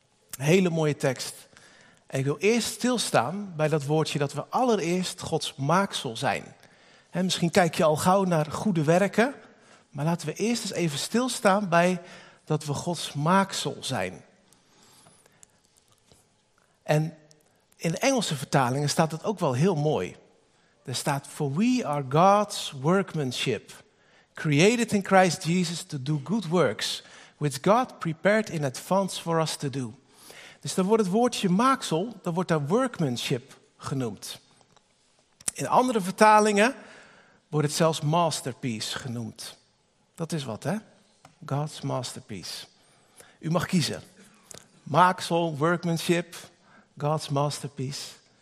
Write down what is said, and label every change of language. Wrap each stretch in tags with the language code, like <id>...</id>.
<nl>Een hele mooie tekst. En ik wil eerst stilstaan bij dat woordje dat we allereerst Gods maaksel zijn. He, misschien kijk je al gauw naar goede werken, maar laten we eerst eens even stilstaan bij dat we Gods maaksel zijn. En in de Engelse vertalingen staat dat ook wel heel mooi. Er staat,</nl> <en>for we are God's workmanship, created in Christ Jesus to do good works, which God prepared in advance for us to do.</en> <nl>Dus dan wordt het woordje maaksel, dan wordt daar workmanship genoemd. In andere vertalingen wordt het zelfs masterpiece genoemd. Dat is wat, hè? God's masterpiece. U mag kiezen. Maaksel, workmanship, God's masterpiece.</nl>